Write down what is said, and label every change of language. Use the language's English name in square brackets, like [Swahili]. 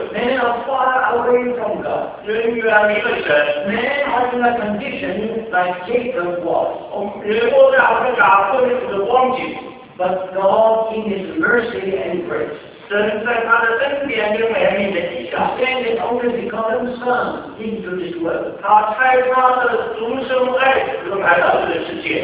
[English] men are far away from God. [Chinese] 人远离了神, [English] men are in a condition like Jacob was. [Chinese] 人过着阿根达困苦的光景, [English] but God in His mercy and grace, [Chinese] 神在他的恩典跟怜悯的底下, [English] sent His only begotten Son into this world. [Chinese] 他差他的独生爱子来到这个世界,